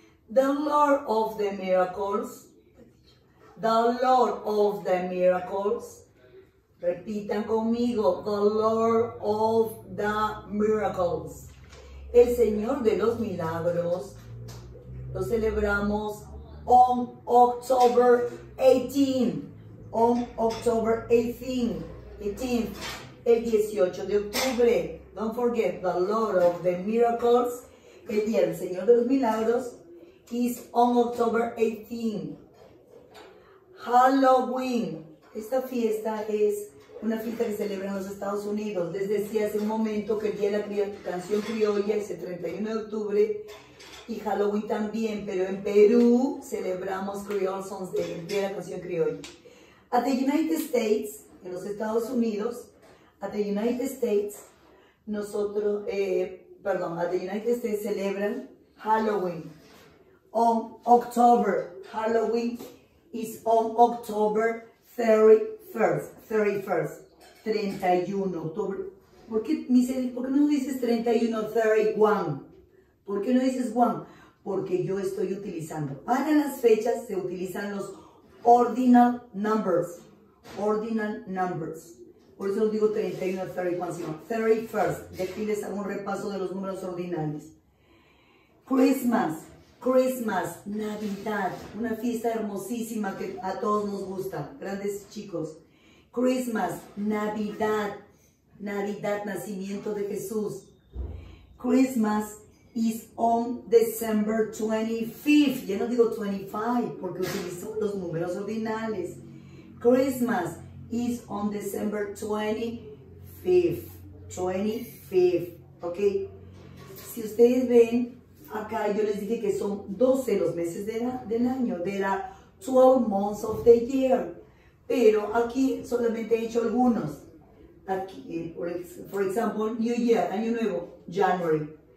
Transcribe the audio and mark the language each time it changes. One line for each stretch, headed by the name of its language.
English: The Lord of the Miracles. The Lord of the Miracles.
Spanish: Repitan conmigo.
English: The Lord of the Miracles.
Spanish: El Señor de los Milagros. Lo celebramos
English: on October 18. On October 18.
Spanish: El 18 de octubre.
English: Don't forget. The Lord of the Miracles.
Spanish: El día del Señor de los Milagros
English: is on October 18. Halloween.
Spanish: Esta fiesta es una fiesta que celebra en los Estados Unidos. Les decía hace un momento que el día de la canción criolla es el 31 de octubre y Halloween también, pero en Perú celebramos
English: Creole Songs Day,
Spanish: el día de la canción criolla. At the United States, en los Estados Unidos, at the United States, nosotros, at the United States celebran Halloween. On October, Halloween is on October 31, October. ¿Por qué, Michelle, por qué no dices 31, 31? ¿Por qué no dices 1? Porque yo estoy utilizando. Para las fechas se utilizan los
English: ordinal numbers. Ordinal numbers.
Spanish: Por eso no digo 31, 31, sino 31st. Déjenles hago un repaso de los números ordinales. Christmas. Christmas, Navidad, una fiesta hermosísima que a todos nos gusta, grandes chicos. Christmas, Navidad, Navidad, nacimiento de Jesús.
English: Christmas is on December 25th.
Spanish: Ya no digo 25 porque utilizo los números ordinales.
English: Christmas is on December 25th. 25th, ¿ok?
Spanish: Si ustedes ven, acá yo les dije que son 12 los meses del año.
English: There are 12 months of the year.
Spanish: Pero aquí solamente he hecho algunos. Aquí, por ejemplo, New Year, Año Nuevo, January.